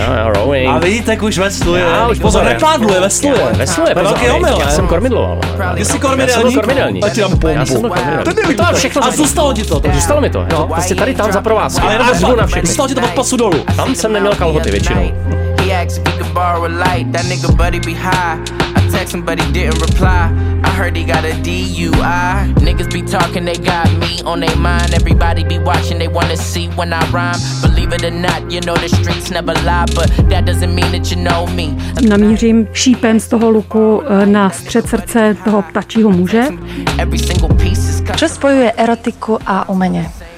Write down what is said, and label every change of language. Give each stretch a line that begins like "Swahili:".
Czech: Jo, rowing. A vidíte, jak už vesluje. Pozor, nepádluje, vesluje. Vesluje, pozor. Velký omyl, já jsem kormidloval. Ty jsi kormidelník? Já jsem byl kormidelník. To všechno. A zůstalo ti to? Zůstalo mi to. Prostě tady tam za provázky. Ale jenom zhru na všechny. Zůstalo ti to od pasu dolů. Tam jsem neměl kalhoty většinou.
English: He asked if he could borrow a light. That nigga buddy be high. I text him but he didn't reply. I heard he got a DUI. Niggas be talking, they got me on their mind. Everybody be watching, they wanna see when I rhyme. Believe it or not, you know the streets never lie, but that doesn't mean that you know me.
Czech: Namířím šípem z toho luku na střed srdce toho ptačího muže. Co spojuje erotiku a umění?